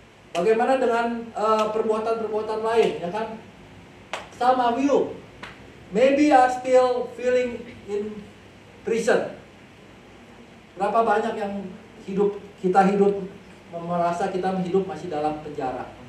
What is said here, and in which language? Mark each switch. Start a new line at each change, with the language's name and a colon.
Indonesian: Bagaimana dengan perbuatan-perbuatan lain, ya kan?
English: Some of you, maybe are still feeling in prison.
Indonesian: Berapa banyak yang kita hidup merasa kita hidup masih dalam penjara.